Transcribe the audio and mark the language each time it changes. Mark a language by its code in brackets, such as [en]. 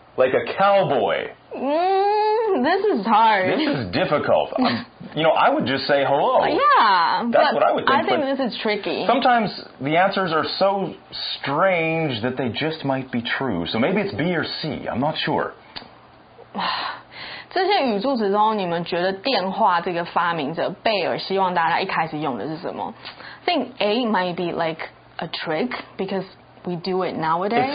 [en] Like a cowboy. This is hard. This is difficult. I would just say hello. Yeah, that's what I would think. I think this is tricky. Sometimes the answers are so strange that they just might be true. So maybe it's B or C. I'm not sure. [zh] 这些语助词中，你们觉得电话这个发明者贝尔希望大家一开始用的是什么？ [en] I think A might be like a trick because we do it nowadays.